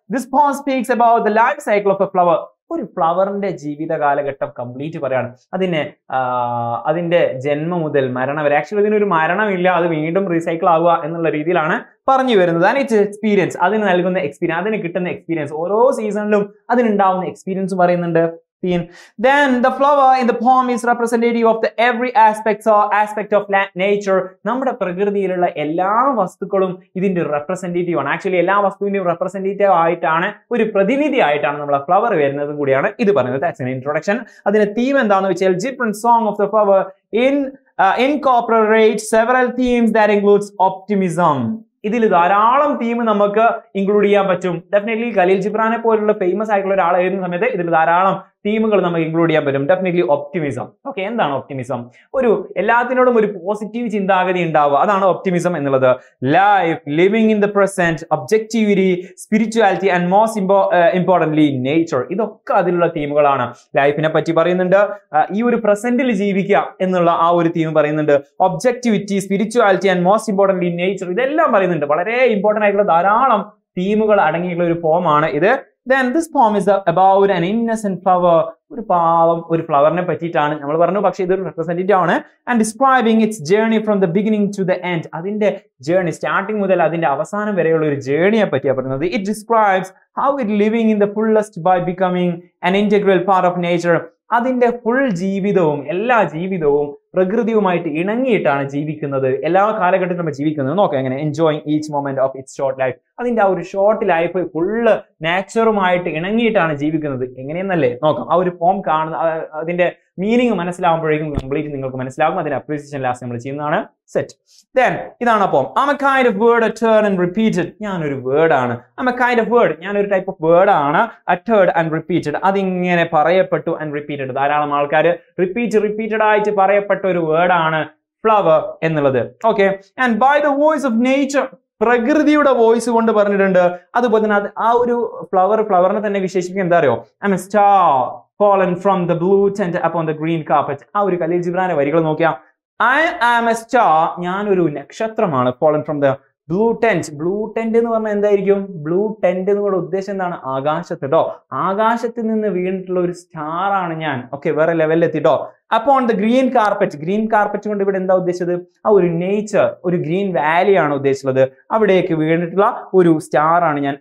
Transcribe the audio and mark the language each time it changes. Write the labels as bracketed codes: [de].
[en] this poem speaks about the life cycle of a flower, [ml] ഒരു ഫ്ലവറിന്റെ ജീവിത കാലഘട്ടം കംപ്ലീറ്റ് പറയാണ്. അതിനെ അതിൻ്റെ ജന്മം മുതൽ മരണം വരെ, ആക്ച്വലി അതിനൊരു മരണമില്ല, അത് വീണ്ടും റീസൈക്കിൾ ആവുക എന്നുള്ള രീതിയിലാണ് പറഞ്ഞു വരുന്നത്. [en] and its experience, [ml] അതിന് നൽകുന്ന എക്സ്പീരിയൻസ്, അതിന് കിട്ടുന്ന എക്സ്പീരിയൻസ്, ഓരോ സീസണിലും അതിനുണ്ടാവുന്ന എക്സ്പീരിയൻസ് പറയുന്നുണ്ട്. [en] Then the flower in the poem is representative of the every aspect of nature. [ml] നമ്മുടെ പ്രകൃതിയിലുള്ള എല്ലാ വസ്തുക്കളും ഇതിന്റെ റെപ്രസെന്റേറ്റീവ് ആണ്. ആക്ച്വലി എല്ലാ വസ്തുവിന്റെയും റെപ്രസെന്റേറ്റീവ് ആയിട്ടാണ്, ഒരു പ്രതിനിധി ആയിട്ടാണ് നമ്മളെ ഫ്ലവർ വരുന്നതും കൂടിയാണ് ഇത് പറയുന്നത്. [en] That's an introduction. [ml] അതിന്റെ തീം എന്താണെന്ന് വെച്ചാൽ, [en] Gibran song of the flower incorporate several themes that includes optimism. [ml] ഇതിൽ ധാരാളം തീം നമുക്ക് ഇൻക്ലൂഡ് ചെയ്യാൻ പറ്റും. ഡെഫിനറ്റ്ലി ഖലീൽ ജിബ്രാനെ പോലുള്ള ഫേമസ് ആയിട്ടുള്ള ഒരാൾ എഴുതുന്ന സമയത്ത് ഇതിൽ ധാരാളം തീമുകൾ നമുക്ക് ഇൻക്ലൂഡ് ചെയ്യാൻ പറ്റും. Definitely optimism. ഓക്കെ, എന്താണ് ഒപ്റ്റിമിസം? ഒരു എല്ലാത്തിനോടും ഒരു പോസിറ്റീവ് ചിന്താഗതി ഉണ്ടാവുക, അതാണ് ഒപ്റ്റിമിസം എന്നുള്ളത്. [en] life, living in the present, objectivity, spirituality, and most importantly nature, [ml] ഇതൊക്കെ അതിലുള്ള തീമുകളാണ്. ലൈഫിനെ പറ്റി പറയുന്നുണ്ട്, ഈ ഒരു പ്രസന്റിൽ ജീവിക്കുക എന്നുള്ള ആ ഒരു തീം പറയുന്നുണ്ട്. [en] objectivity, spirituality, and most importantly nature, [ml] ഇതെല്ലാം പറയുന്നുണ്ട്. വളരെ ഇമ്പോർട്ടൻ്റ് ആയിട്ടുള്ള ധാരാളം തീമുകൾ അടങ്ങിയിട്ടുള്ള ഒരു പോം ആണ് ഇത്. [en] Then this poem is about an innocent flower. [ml] ഒരു പാവം ഒരു ഫ്ലവറിനെ പറ്റിയിട്ടാണ് നമ്മൾ പറഞ്ഞു, പക്ഷേ ഇതൊരു റെപ്രസെന്റേറ്റീവ് ആണ്. [en] and describing its journey from the beginning to the end, [ml] അതിന്റെ ജേർണി സ്റ്റാർട്ടിംഗ് മുതൽ അതിന്റെ അവസാനം വരെയുള്ള ഒരു ജേർണിയെ പറ്റിയാണ് പറയുന്നത്. [en] it describes how it living in the fullest by becoming an integral part of nature, [ml] അതിന്റെ ഫുൾ ജീവിതവും എല്ലാ ജീവിതവും പ്രകൃതിയുമായിട്ട് ഇണങ്ങിയിട്ടാണ് ജീവിക്കുന്നത്, എല്ലാ കാലഘട്ടത്തിലും നമ്മൾ ജീവിക്കുന്നത്. നോക്കാം എങ്ങനെ, [en] enjoying each moment of its short life, [ml] അതിന്റെ ആ ഒരു ഷോർട്ട് ലൈഫ് ഫുള്ള് നാച്ചറുമായിട്ട് ഇണങ്ങിയിട്ടാണ് ജീവിക്കുന്നത്. എങ്ങനെയെന്നല്ലേ നോക്കാം, ആ ഒരു ഫോം കാണുന്ന അതിന്റെ മീനിങ് മനസ്സിലാവുമ്പോഴേക്കും കംപ്ലീറ്റ് നിങ്ങൾക്ക് മനസ്സിലാകും. അതിന്റെ അപ്രീസിയേഷൻ ലാസ്റ്റ് നമ്മൾ ചെയ്യുന്നതാണ്. സെറ്റ്, ദെൻ ഇതാണ് ആ form. [en] I'm a kind of word uttered and repeated, [ml] ഞാനൊരു വേർഡ് ആണ്. [en] I'm a kind of word, [ml] ഞാനൊരു ടൈപ്പ് ഓഫ് വേർഡ് ആണ്. [en] uttered and repeated, [ml] അതിങ്ങനെ പറയപ്പെട്ടു. ആൻഡ് റിപ്പീറ്റഡ്, ധാരാളം ആൾക്കാർ റിപ്പീറ്റ് റിപ്പീറ്റഡ് ആയിട്ട് പറയപ്പെട്ട ഒരു വേർഡ് ആണ് ഫ്ലവർ എന്നുള്ളത്. [en] okay, and by the voice of nature, [ml] പ്രകൃതിയുടെ വോയിസ് കൊണ്ട് പറഞ്ഞിട്ടുണ്ട്. അതുപോലെ തന്നെ ആ ഒരു ഫ്ലവർ ഫ്ലവറിനെ തന്നെ വിശേഷിപ്പിക്കുക, എന്താ അറിയോ, [en] I'm a star fallen from the blue tent upon the green carpet. [ml] ആ ഒരു ഖലീൽ ജിബ്രാനെ വരികൾ നോക്കിയാ, [en] I am a star, [ml] ഞാനൊരു നക്ഷത്രമാണ്. Fallen from the blue tent, blue tent എന്ന് പറഞ്ഞാൽ എന്തായിരിക്കും, ബ്ലൂ ടെന്റ് എന്ന് പറഞ്ഞ ഉദ്ദേശം എന്താണ്, ആകാശത്ത് കേട്ടോ, ആകാശത്ത് നിന്ന് വീണിട്ടുള്ള ഒരു സ്റ്റാർ ആണ് ഞാൻ. ഓക്കെ, വേറെ ലെവലിൽ എത്തിട്ടോ. [en] upon the green carpet, [ml] green carpet കൊണ്ട് ഇവിടെ എന്താ ഉദ്ദേശിച്ചത്, ആ ഒരു നേച്ചർ, ഒരു ഗ്രീൻ വാലി ആണ് ഉദ്ദേശിച്ചിട്ടുള്ളത്, അവിടേക്ക് വീണിട്ടുള്ള ഒരു സ്റ്റാർ ആണ് ഞാൻ.